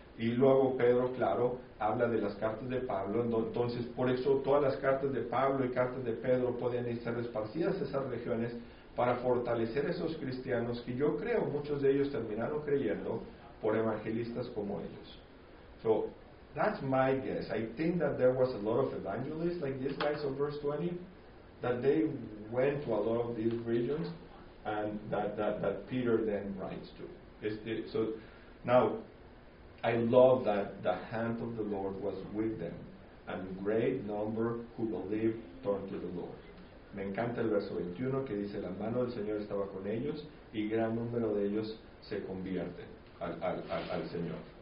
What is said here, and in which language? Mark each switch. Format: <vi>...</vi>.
<es>Y luego Pedro, claro, habla de las cartas de Pablo. Entonces, por eso todas las cartas de Pablo y cartas de Pedro podían estar esparcidas en esas regiones para fortalecer a esos cristianos que yo creo muchos de ellos terminaron creyendo por evangelistas como ellos.</es> <en>So, that's my guess. I think that there was a lot of evangelists like these guys of verse 20 that they went to a lot of these regions and that Peter then writes to. So, now, I love that the hand of the Lord was with them, and great number who believed turned to the Lord.</en> <es>Me encanta el verso 21 que dice, la mano del Señor estaba con ellos, y gran número de ellos se convierte al Señor.</es>